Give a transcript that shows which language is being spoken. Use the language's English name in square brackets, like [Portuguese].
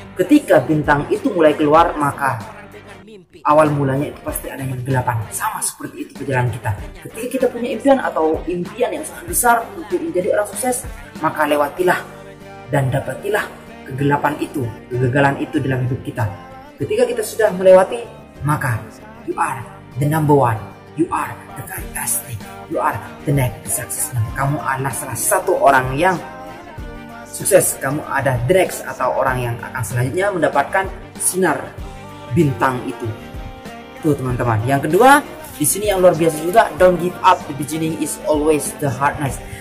[Indonesian] Ketika bintang itu mulai keluar, maka awal mulanya itu pasti ada yang kegelapan. Sama seperti itu perjalanan kita. Ketika kita punya impian atau impian yang sangat besar untuk menjadi orang sukses, maka lewatilah dan dapatilah kegelapan itu, kegagalan itu dalam hidup kita. Ketika kita sudah melewati, maka [English] you are the number one, you are the fantastic, you are the next success. [Indonesian] Kamu adalah salah satu orang yang sukses. Kamu ada the next atau orang yang akan selanjutnya mendapatkan sinar bintang itu. Tuh teman-teman. Yang kedua, di sini yang luar biasa juga, [English] don't give up. The beginning is always the hardest.